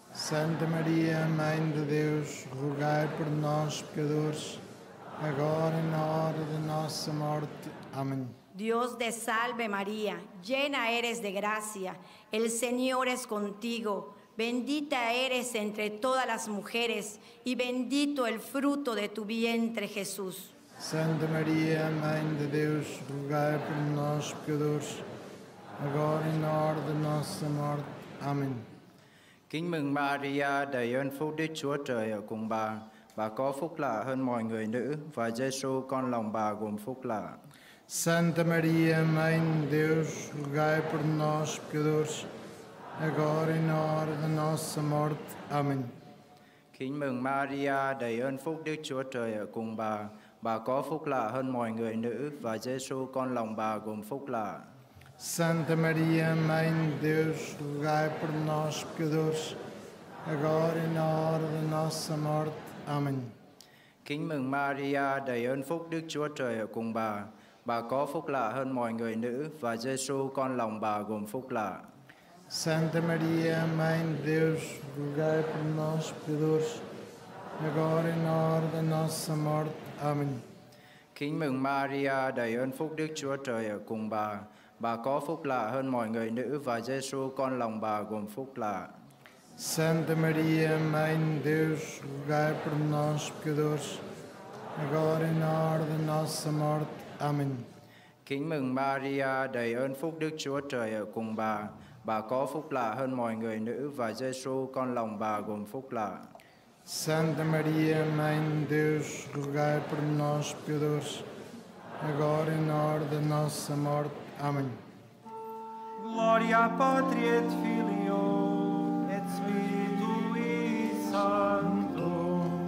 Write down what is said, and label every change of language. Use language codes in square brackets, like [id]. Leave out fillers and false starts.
[pt] Santa María, Mãe de Dios, rogai por nós, pecadores, agora e na hora de nossa morte. Amén. [es] Dios te salve, María, llena eres de gracia, el Señor es contigo. Bendita eres entre todas las mujeres y bendito el fruto de tu vientre, Jesús. [pt] Santa Maria, Mãe de Deus, rogai por nós, pecadores, agora e na hora de nossa morte. Amém. [vi] Kính mừng Maria, đầy ơn phúc Đức Chúa Trời ở cùng bà. Bà có phúc lạ hơn mọi người nữ, và Jesus, con lòng bà gồm phúc lạ. [pt] Santa Maria, Mãe de Deus, rogai por nós, pecadores, agora e na hora de nossa morte. Amém. [vi] Kính mừng Maria, đầy ơn phúc Đức Chúa Trời ở cùng bà. Bà có phúc lạ hơn mọi người nữ và Jesus con lòng bà gồm phúc lạ. [pt] Santa Maria, Mãe de Deus, rogai por nós pecadores, agora e na hora de nossa morte. Amém. [vi] Kính mừng Maria, đầy ơn phúc Đức Chúa Trời ở cùng bà. Bà có phúc lạ hơn mọi người nữ và Jesus con lòng bà gồm phúc lạ. [pt] Santa Maria, Mãe de Deus, rogai por nós pecadores, agora e na hora de nossa morte. Amém. [vi] Kính mừng Maria, đầy ơn phúc Đức Chúa Trời ở cùng bà. Bà có phúc lạ hơn mọi người nữ và Jesus con lòng bà gồm phúc lạ. [pt] Santa Maria, Mãe de Deus, rogai por nós pecadores, agora e na hora de nossa morte. Amém. [vi] Kính mừng Maria, đầy ơn phúc Đức Chúa Trời ở cùng bà. Bà có phúc lạ hơn mọi người nữ và Jesus con lòng bà gồm phúc lạ. [pt] Santa Maria, Mãe de Deus, rogai por nós, pecadores, agora e na hora da nossa morte. Amém. Glória à Pátria [la] et Filio, et Spiritu Santo.